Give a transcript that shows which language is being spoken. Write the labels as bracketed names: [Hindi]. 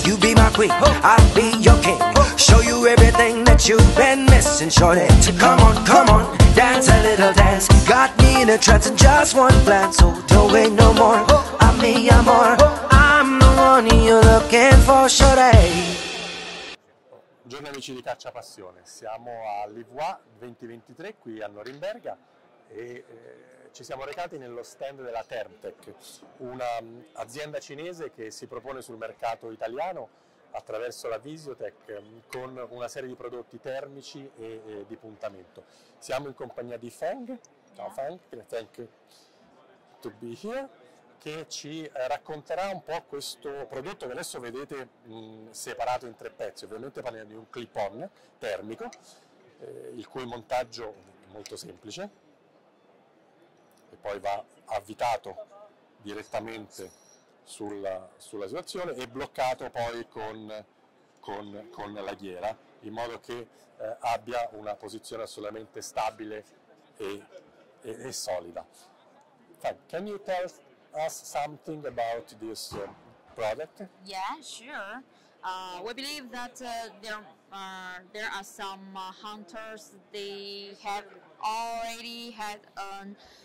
[English] You be my queen, I'll be your king, show you everything that you've been missing, shorty. So come on, come on, dance a little dance, got me in a trance in just one glance. So don't wait no more, I'm me, I'm more, I'm the one you're looking for, shorty. [Italian] Buongiorno amici di Caccia Passione, siamo all'IWA 2023 qui a Norimberga e ci siamo recati nello stand della THERMTEC, un'azienda cinese che si propone sul mercato italiano attraverso la Visiotech con una serie di prodotti termici e di puntamento. Siamo in compagnia di Feng, ciao Feng, [English] thank you to be here, [Italian] che ci racconterà un po' questo prodotto che adesso vedete separato in tre pezzi. Ovviamente parliamo di un clip-on termico, il cui montaggio è molto semplice e poi va avvitato direttamente sulla situazione e bloccato poi con la ghiera, in modo che abbia una posizione assolutamente stabile e solida. [English] Can you tell us something about this product? Yeah, sure. We believe that there are some hunters, they have already had an